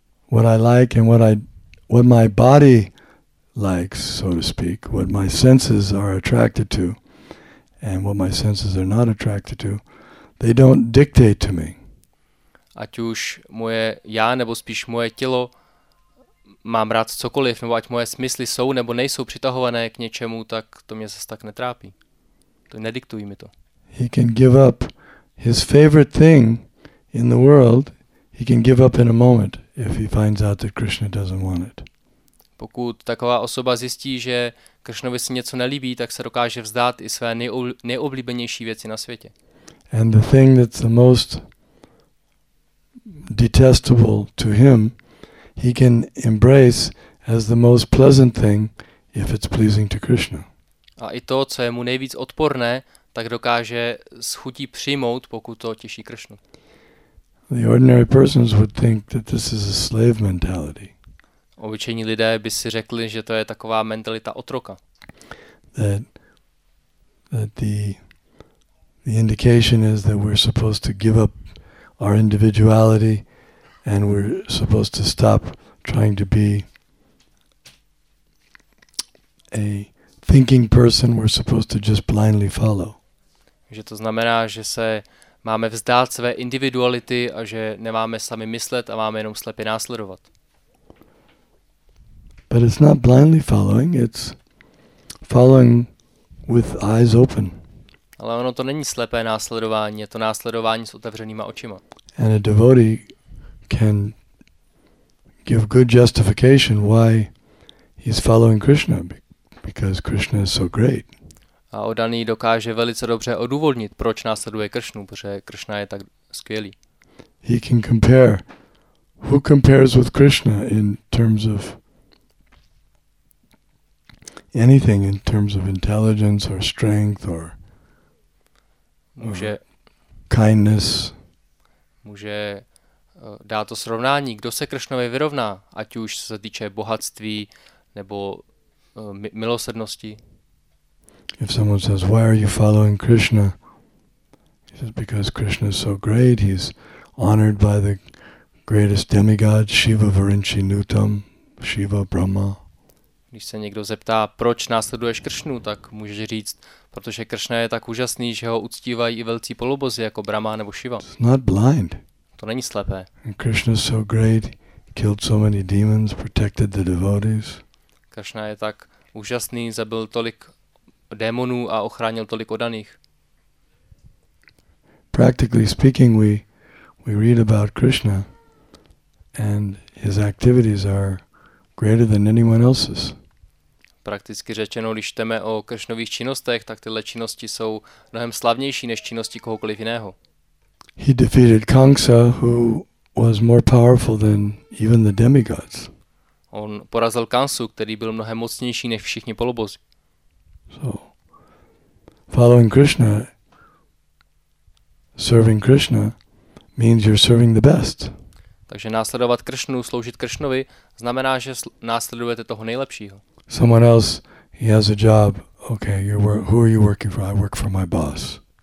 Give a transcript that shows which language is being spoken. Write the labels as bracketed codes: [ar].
[en] What I like and what my body likes, so to speak, what my senses are attracted to and what my senses are not attracted to, they don't dictate to me. [cs] ať už moje já nebo spíš moje tělo mám rád cokoliv, nebo ať moje smysly jsou nebo nejsou přitahované k něčemu, tak to mě zase tak netrápí. To nediktují mi to. [en] He can give up his favorite thing in the world. He can give up in a moment if he finds out that Krishna doesn't want it. [cs] Pokud taková osoba zjistí, že Krishnovi se něco nelíbí, tak se dokáže vzdát i své nejoblíbenější věci na světě. [en] And the thing that's the most detestable to him, he can embrace as the most pleasant thing if it's pleasing to Krishna. [cs] A i to, co je mu nejvíc odporné, tak dokáže s chutí přijmout, pokud to těší Krishnu. [en] The ordinary persons would think that this is a slave mentality. [cs] Obyčejní lidé by si řekli, že to je taková mentalita otroka. [en] That the indication is that we're supposed to give up our individuality and we're supposed to stop trying to be a thinking person, we're supposed to just blindly follow. [cs] Že to znamená, že se máme vzdát své individuality a že nemáme sami myslet a máme jenom slepě následovat. [en] But it's not blindly following, it's following with eyes open. [cs] Ale ono to není slepé následování, je to následování s otevřenýma očima. [en] And a devotee can give good justification why he's following Krishna, because Krishna is so great. [cs] A oddaný dokáže velice dobře odůvodnit, proč následuje Kršnu, protože Kršna je tak skvělý. [en] He can compare. Who compares with Krishna in terms of anything, in terms of intelligence or strength or, [cs] může, [en] or kindness? [cs] Může dát to srovnání, kdo se Kršnovi vyrovná, ať už se týče bohatství nebo milosrdnosti. [en] If someone says, why are you following Krishna? He says, because Krishna is so great, he's honored by the greatest demigod, [sa] Shiva Varinchi Nutam, [en] Shiva Brahma. [cs] Když se někdo zeptá, proč následuješ Kršnu, tak můžeš říct, protože Kršna je tak úžasný, že ho uctívají i velcí polobozy jako Brahma nebo Shiva. [en] It's not blind. [cs] To není slepé. [en] And Krishna is so great, killed so many demons, protected the devotees. [cs] Kršna je tak úžasný, zabil tolik démonů a ochránil tolik oddaných. [en] Practically speaking, we read about Krishna and his activities are greater than anyone else's. [cs] Prakticky řečeno, když čteme o Kršnových činnostech, tak tyhle činnosti jsou mnohem slavnější než činnosti kohokoliv jiného. [en] He defeated Kamsa, who was more powerful than even the demigods. [cs] On porazil Kamsu, který byl mnohem mocnější než všichni polobozy. [en] So, following Krishna, serving Krishna, means you're serving the best. [cs] Takže následovat Kršnu, sloužit Kršnovi, znamená, že následujete toho nejlepšího. [en] Someone else, he has a job. Okay, who are you working for? I work for my boss.